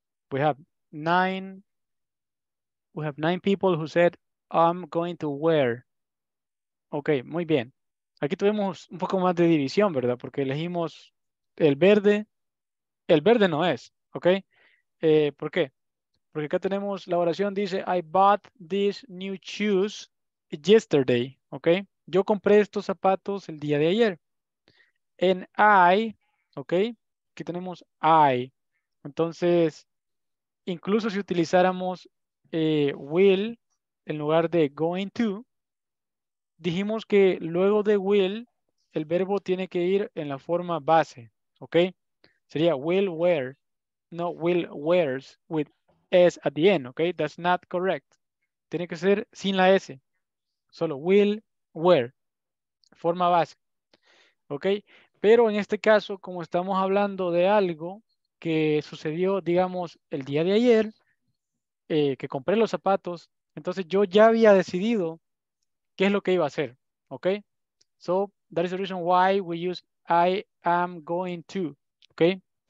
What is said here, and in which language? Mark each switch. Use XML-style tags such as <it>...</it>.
<en>We have nine people who said, I'm going to wear.</en> <es>Okay, muy bien. Aquí tuvimos un poco más de división, ¿verdad? Porque elegimos el verde. El verde no es, okay? ¿Por qué? Porque acá tenemos la oración, dice,</es> <en>I bought these new shoes yesterday,</en> <es>okay? Yo compré estos zapatos el día de ayer.</es> <en>And I,</en> <es>okay? Aquí tenemos I. Entonces, incluso si utilizáramos will en lugar de going to, dijimos que luego de will, el verbo tiene que ir en la forma base. ¿Ok? Sería</es> <en>will wear,</en> <es>no</es> <en>will wears with S at the end.</en> <es>¿Ok?</es> <en>That's not correct.</en> <es>Tiene que ser sin la S. Solo will wear. Forma base. ¿Ok? Pero en este caso, como estamos hablando de algo que sucedió, digamos, el día de ayer, que compré los zapatos, entonces yo ya había decidido qué es lo que iba a hacer, ¿ok?</es> <en>So, that is the reason why we use I am going to,</en> <es>¿ok? Okay.</es>